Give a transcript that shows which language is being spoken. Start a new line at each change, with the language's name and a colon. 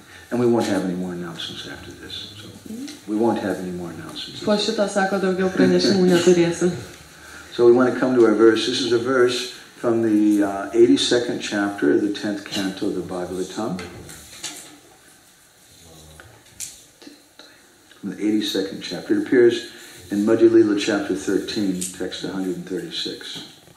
English: And we won't have any more announcements after this. So we won't have any more announcements.
Lithuanian: Po šito sako daugiau pranešimų neturėsim.
English: So we want to come to our verse. This is a verse from the 82nd chapter of the 10th canto of the Bhagavatam. From the 82nd chapter. It appears in Madhya Lila chapter 13, text 136.